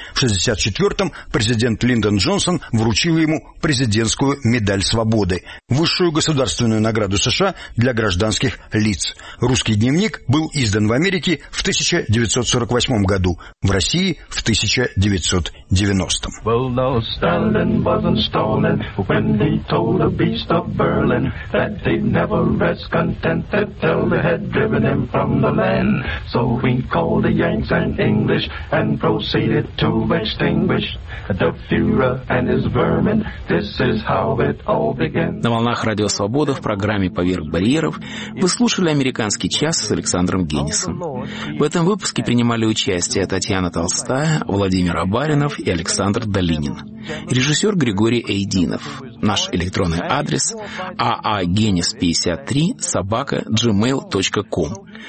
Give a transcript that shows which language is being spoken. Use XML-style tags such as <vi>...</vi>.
<ru>В 1964 президент Линдон Джонсон вручил ему президентскую медаль свободы, высшую государственную награду США для гражданских лиц. «Русский дневник» был издан в Америке в 1948 году, в России в 1990.</ru> <en>Well, no, Stalin wasn't stolen when he told the beast of Berlin that they'd never rest contented till they had driven him from the land. So we called the Yanks and English and proceeded to extinguish the Führer and his vermin. This is how it all began.</en> <ru>На волнах Радио Свобода в программе «Поверх барьеров» вы слушали «Американский час» с Александром Геннисом. В этом выпуске принимали участие Татьяна Толстая, Владимир Абаринов и Александр Долинин. Режиссер Григорий Эйдинов. Наш электронный адрес aagenius53@gmail.com.</ru>